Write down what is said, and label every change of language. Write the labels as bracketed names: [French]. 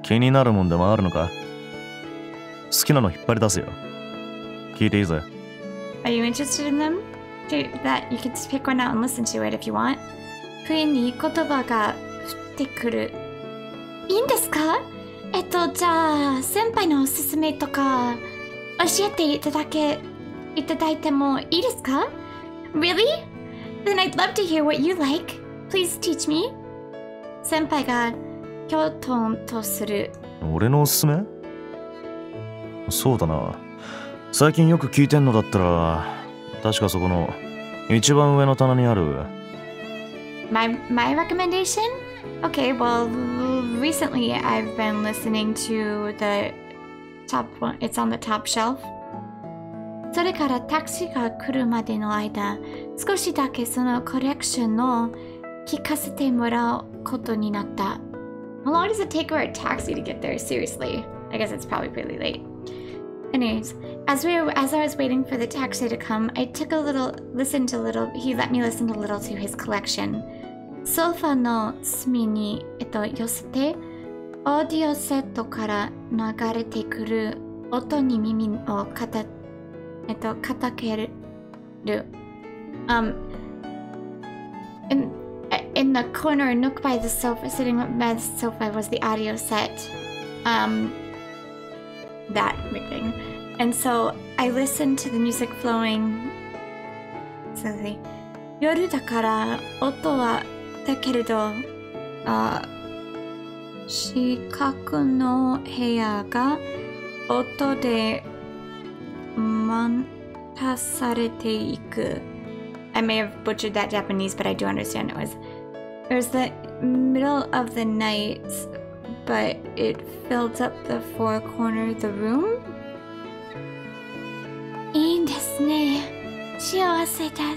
[Japanese] 気になるもんでもあるのか?好きなの引っ張り出すよ。聞いていいぜ。 [English] Are you interested in them? That you can just pick one out and listen to it if you want. [Japanese] 不意に言葉が降ってくる。いいんですか? じゃあ、先輩のおすすめとか、教えていただけ、いただいてもいいですか? [English] Really? Then I'd love to hear what you like. Please teach me. [Japanese] 先輩が、きょうとんとする。俺のおすすめ?そうだな。最近よく聞いてんのだったら、確かそこの一番上の棚にある。 [English] My recommendation? Okay, well, recently I've been listening to the top one. It's on the top shelf. [Japanese] それからタクシーが来るまでの間、少しだけそのコレクションを聞かせてもらうことになった。 [English] How long does it take for a taxi to get there? Seriously, I guess it's probably really late. Anyways, as I was waiting for the taxi to come, I took a little, listened a little, he let me listen a little to his collection. [Japanese] ソファの隅に寄せて、オーディオセットから流れてくる音に耳を傾ける。 [English] In the corner, nook by the sofa, sitting by the sofa was the audio set. That ringing. And so I listened to the music flowing. Sorry. [Japanese] 夜だから音はだけれど、四角の部屋が音で満たされていく。 [English] I may have butchered that Japanese, but I do understand it was. It was the middle of the night. But it filled up the four corner of the room? [Japanese] いいんですね。幸せです。